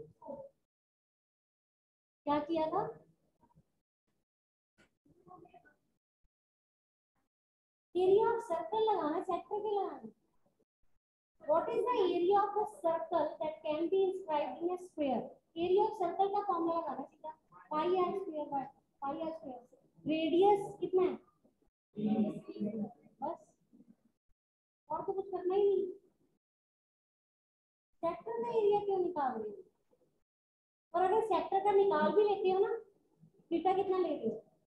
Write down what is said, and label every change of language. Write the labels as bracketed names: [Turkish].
[Hindi] क्या किया था, एरिया ऑफ सर्कल लगाना, सेक्टर पे लगाना. [English] What is the area of a circle that can be inscribed in a square? [Hindi] Area of circle का formula लगाना सीधा, pi r square by pi r square. Radius कितना है? बस. और तो कुछ करना ही नहीं. Sector का area क्यों निकाल रहे हो? और अगर sector का निकाल भी लेते हो ना, theta कितना लेते हो?